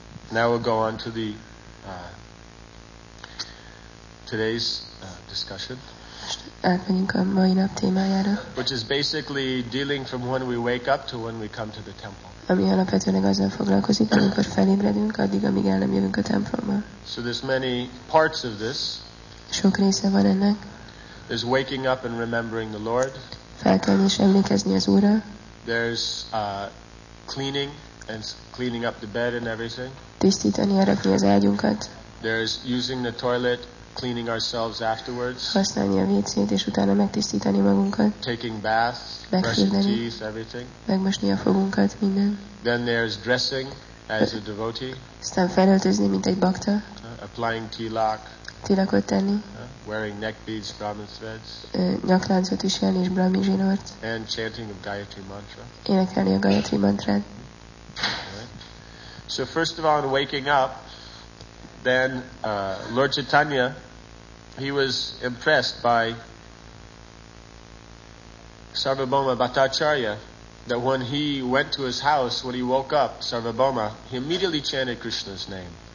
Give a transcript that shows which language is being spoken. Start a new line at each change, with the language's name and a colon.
English: Now we'll go on to the today's discussion.
Hungarian: Átmenjünk a mai nap témájára.
English: Which is basically dealing from when we wake up to when we come to the temple.
Hungarian: Ami alapvetőleg azzal foglalkozik, amikor felébredünk, addig, amíg el nem jövünk a templomba.
English: So there's many parts of this.
Hungarian: Sok része van ennek.
English: There's waking up and remembering the Lord.
Hungarian: Felkelni és emlékezni az Úrra.
English: There's cleaning and cleaning up the bed and everything.
Hungarian: Tisztítani, elrakni az ágyunkat.
English: There's using the toilet. Cleaning ourselves afterwards.
Hungarian: Használni a WC-t és utána megtisztítani magunkat.
English: Taking baths, brushing teeth, everything.
Hungarian: Megmosni a fogunkat, minden.
English: Then there's dressing as a devotee.
Hungarian: Aztán felöltözni, mint egy bakta.
English: Applying tilak.
Hungarian: Tilakot tenni.
English: Wearing neck beads, Brahmin threads.
Hungarian: Nyakláncot viselni és Brahmin zsinort.
English: And chanting a Gayatri mantra.
Hungarian: Énekelni a Gayatri mantrát.
English: So first of all, waking up. Then Lord Chaitanya he was impressed by Sarvabhauma Bhattacharya, that when he went to his house, when he woke up, Sarvabhauma, he immediately chanted Krishna's name.